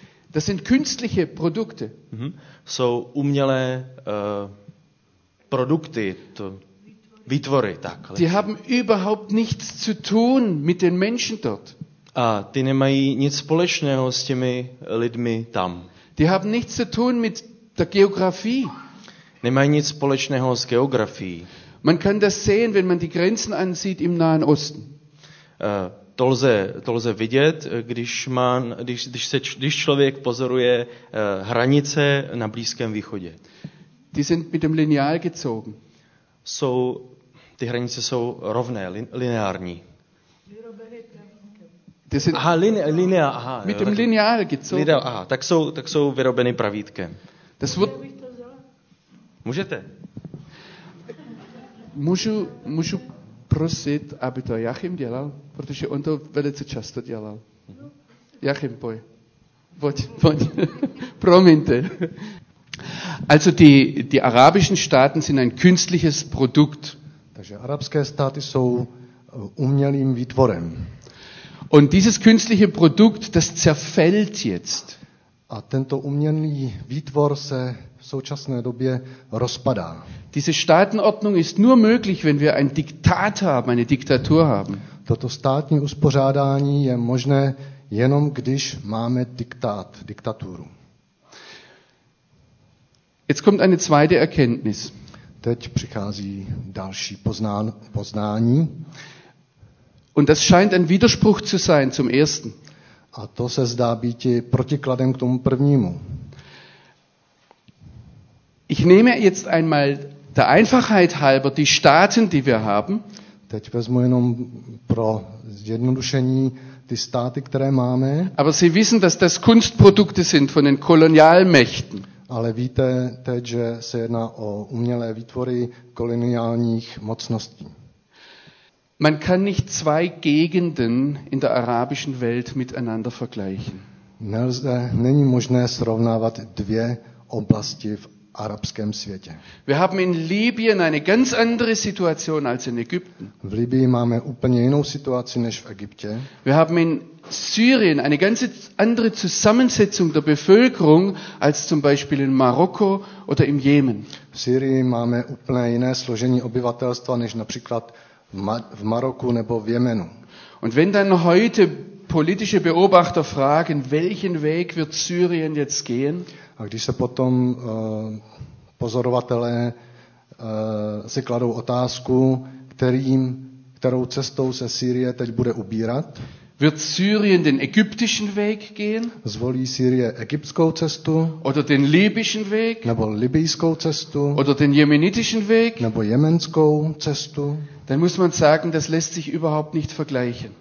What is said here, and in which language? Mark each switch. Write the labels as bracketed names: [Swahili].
[German] das sind künstliche Produkte. [Czech] Jsou umělé produkty, to, výtvory, tak. [German] Die haben überhaupt nichts zu tun mit den Menschen dort. [Czech] A ty nemají nic společného s těmi lidmi tam. [German] Die haben nichts zu tun mit der Geografie. [Czech] Nemají nic společného s geografií. [German] Man kann das sehen, wenn man die Grenzen ansieht im Nahen Osten. [Czech] To lze vidět, když člověk pozoruje hranice na Blízkém východě. [German] Die sind mit dem Lineal gezogen. [Czech] Jsou, ty hranice jsou rovné, lineární. [German] Die sind mit dem Lineal gezogen. [Czech] Tak jsou vyrobeny pravítkem. [German] Das wird [Czech] Můžete? Můžu prosit, aby to Jachim dělal, protože on to velice často dělal. Jachim, pojď. Promiňte. [German] Also die arabischen Staaten sind ein künstliches Produkt. [Czech] Takže arabské státy jsou umělým výtvorem. [German] Und dieses künstliche Produkt, das zerfällt jetzt. [Czech] A tento umělý výtvor se v současné době rozpadá. [German] Diese Staatenordnung ist nur möglich, wenn wir ein Diktat haben, eine Diktatur haben. [Czech] Toto státní uspořádání je možné jenom když máme diktát, diktaturu. [German] Jetzt kommt eine zweite Erkenntnis. [Czech] Teď přichází další poznání. [German] Und das scheint ein Widerspruch zu sein zum ersten. [Czech] A to se zdá být protikladem k tomu prvnímu. [German] Ich nehme jetzt einmal der Einfachheit halber die Staaten, die wir haben. [Czech] Teď vezmu jenom pro zjednodušení ty státy, které máme. [German] Aber Sie wissen, dass das Kunstprodukte sind von den Kolonialmächten. [Czech] Ale víte teď, že se jedná o umělé výtvory koloniálních mocností. [German] Man kann nicht zwei Gegenden in der arabischen Welt miteinander vergleichen. [Czech] Není možné srovnávat dvě oblasti v arabském světě. [German] Wir haben in Libyen eine ganz andere Situation als in Ägypten. [Czech] V Libyi máme úplně jinou situaci než v Egyptě. [German] Wir haben in Syrien eine ganz andere Zusammensetzung der Bevölkerung als zum Beispiel in Marokko oder im Jemen. [Czech] V Syrii máme úplně jiné složení obyvatelstva než například v Maroku nebo v Jemenu. [German] Und wenn dann heute politische Beobachter fragen, welchen Weg wird Syrien jetzt gehen? [Czech] A když se potom pozorovatelé si kladou otázku, kterou cestou se Sýrie teď bude ubírat. [German] Wird Syrien den ägyptischen Weg gehen? [Czech] Zvolí Sýrie egyptskou cestu? [German] Oder den libyschen Weg? [Czech] Nebo libyjskou cestu? [German] Oder den jemenitischen Weg? [Czech] Nebo jemenskou cestu? [German] Dann muss man sagen, das lässt sich überhaupt nicht vergleichen.